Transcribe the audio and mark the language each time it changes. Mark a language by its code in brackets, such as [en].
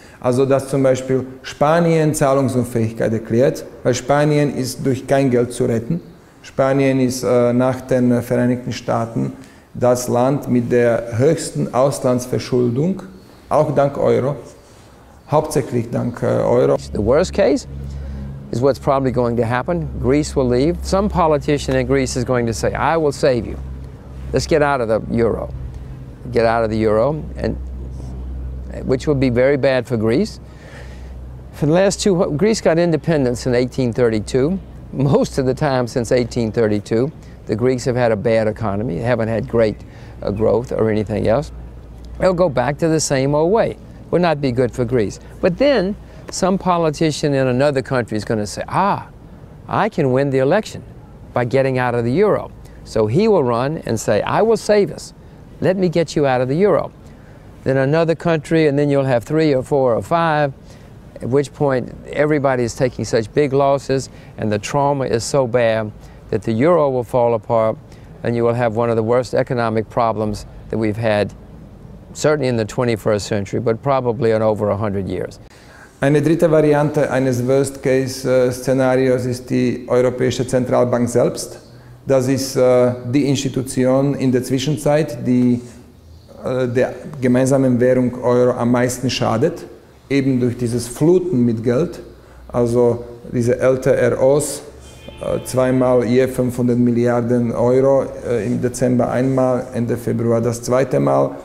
[de] Also dass zum Beispiel Spanien Zahlungsunfähigkeit erklärt, weil Spanien ist durch kein Geld zu retten. Spanien ist nach den Vereinigten Staaten das Land mit der höchsten Auslandsverschuldung, auch dank Euro, hauptsächlich dank Euro. [en] The worst case is what's probably going to happen. Greece will leave. Some politician in Greece is going to say, I will save you. Let's get out of the euro. Get out of the euro, and which would be very bad for Greece. For the last two, Greece got independence in 1832. Most of the time since 1832, the Greeks have had a bad economy. They haven't had great growth or anything else. They'll go back to the same old way. Would not be good for Greece. But then some politician in another country is going to say, ah, I can win the election by getting out of the euro. So he will run and say, I will save us. Let me get you out of the euro. Then another country, and then you'll have three or four or five, at which point everybody is taking such big losses and the trauma is so bad that the euro will fall apart and you will have one of the worst economic problems that we've had, certainly in the 21st century, but probably in over 100 years. [de] Eine dritte Variante eines Worst-Case-Szenarios ist die Europäische Zentralbank selbst. Das ist die Institution in der Zwischenzeit, die der gemeinsamen Währung Euro am meisten schadet, eben durch dieses Fluten mit Geld, also diese LTROs, zweimal je 500 Milliarden Euro, im Dezember einmal, Ende Februar das zweite Mal.